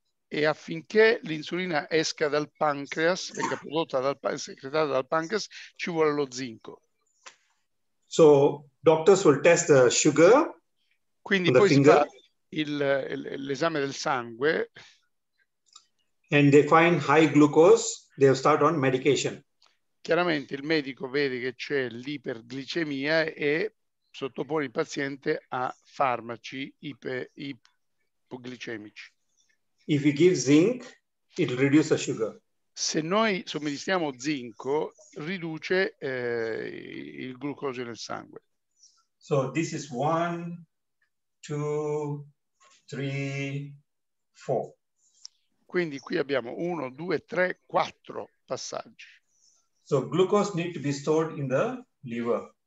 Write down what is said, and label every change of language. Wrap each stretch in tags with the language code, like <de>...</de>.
<it>E affinché l'insulina esca dal pancreas, venga prodotta secretata dal pancreas, ci vuole lo zinco.</it> <en>So, doctors will test the sugar.</en> <it>Quindi poi finger, si fa l'esame del sangue.</it> <en>And they find high glucose, they start on medication.</en> <it>Chiaramente il medico vede che c'è l'iperglicemia e sottopone il paziente a farmaci ipoglicemici.</it> <en>If you give zinc, it reduces the sugar.</en> <it>Se noi somministriamo zinco, riduce il glucosio nel sangue.</it> <en>So this is one, two, three, four.</en> <it>Quindi qui abbiamo uno, due, tre, quattro passaggi.</it> <en>So glucose needs to be stored in the liver.</en>